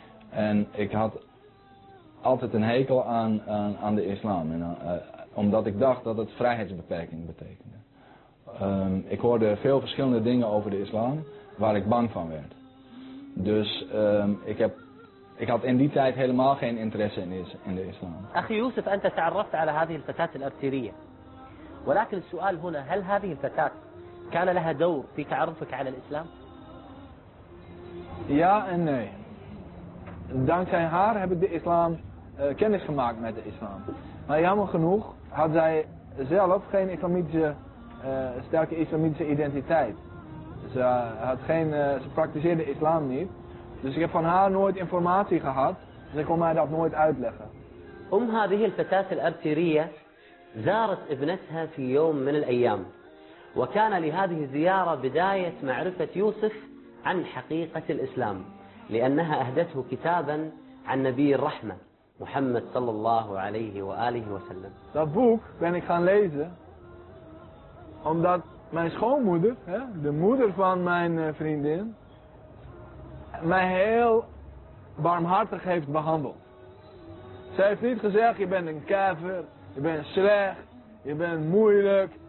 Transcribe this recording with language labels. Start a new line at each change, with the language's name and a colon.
Dutch: En ik had altijd een hekel aan de islam, en, omdat ik dacht dat het vrijheidsbeperking betekende. Ik hoorde veel verschillende dingen over de islam waar ik bang van werd. Dus ik had in die tijd helemaal geen interesse in de islam.
Arabic: Achi Yusuf, أنت تعرفت على هذه الفتاة الأبترية. ولكن السؤال هنا هل هذه الفتاة كان لها دور في تعرفك على الإسلام؟ يا إني،
Dutch: dank zijn haar heb ik de islam kennis gemaakt met de islam. Maar jammer genoeg had zij zelf geen islamitische sterke islamitische identiteit. Ze had geen ze praktiseerde islam niet. Dus ik heb van haar nooit informatie gehad. Ze kon mij dat nooit uitleggen.
Arabic: أم هذه الفتاة الأبترية زارت ابنتها في يوم من الأيام. وكان لهذه الزيارة بداية معرفة يوسف عن حقيقة الإسلام لأنها أهدته كتابا عن نبي الرحمة محمد صلى الله عليه وآله وسلم.
Dutch: Dat boek ben ik gaan lezen omdat mijn schoonmoeder, de moeder van mijn vriendin, mij heel barmhartig heeft behandeld. Zij heeft niet gezegd: je bent een kever, je bent slecht, je bent moeilijk.